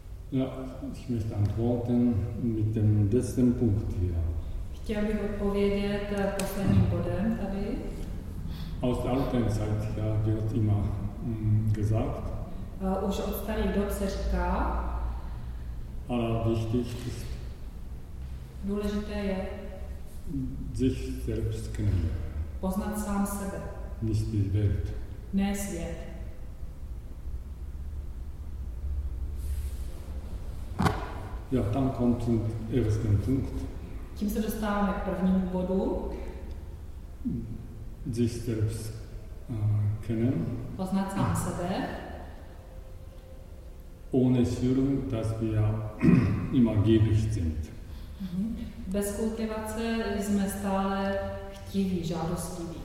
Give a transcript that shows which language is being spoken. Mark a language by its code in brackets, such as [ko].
[de] Ja, ich möchte antworten mit dem letzten Punkt hier. [cs] Chtěl bych odpovědět posledním bodem tady. [de] Aus der alten Zeit ja, wird immer gesagt. [cs] Už od starý dob se říká. [de] Ale wichtig ist. [cs] Důležité je. [de] Sich selbst kennen. [cs] Poznat sám sebe. [de] Nicht die Welt. [cs] Ne svět. [de] Ja, dann kommt zum ersten Punkt. [cs] Tím se dostáváme k prvnímu bodu. [de] Sich selbst kennen. [cs] Poznat sám sebe. [de] Ohne Führung, dass wir immer gierig sind. [cs] Bez kultivace jsme stále chtiví, žádostiví.